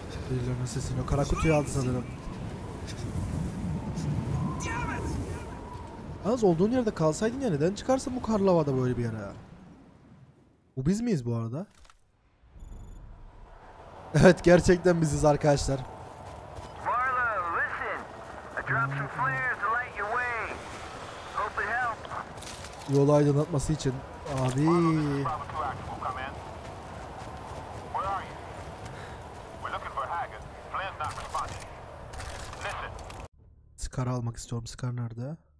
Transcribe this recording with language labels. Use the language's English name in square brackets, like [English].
[Turkish] Birilerinin sesini. Kara kutuyu aldı sanırım. Az olduğun yerde kalsaydın ya, neden çıkarsın bu karlı havada böyle bir yere? Bu biz miyiz bu arada? Evet, gerçekten biziz arkadaşlar. [English] Marla, listen. I dropped some flares to light your way. Hope it helps. [Turkish] Yolu aydınlatması için. Abi. Scar almak istiyorum. Scar nerede?